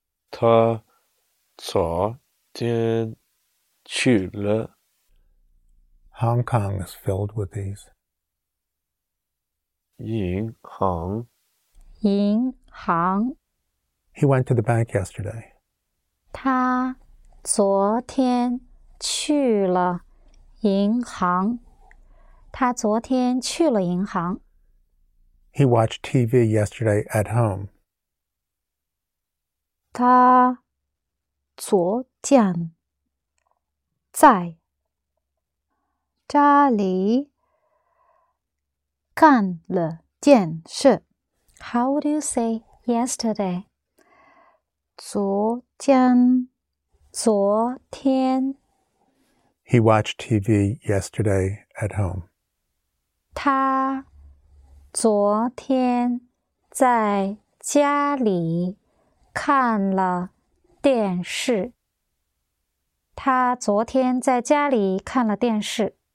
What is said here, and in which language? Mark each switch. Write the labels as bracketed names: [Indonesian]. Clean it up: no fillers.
[Chinese] 他昨天去了。 [English] Hong Kong is filled with these. [Chinese] 银行银行 [English] He went to the bank yesterday. [Chinese] 他昨天去了银行他昨天去了银行 [English] He watched TV yesterday at home. [Chinese] 他昨天在家里看了电视 [English] How would you say yesterday? [Chinese] 昨天昨天 [English] He watched TV yesterday at home. [Chinese] 他昨天在家里看了电视他昨天在家里看了电视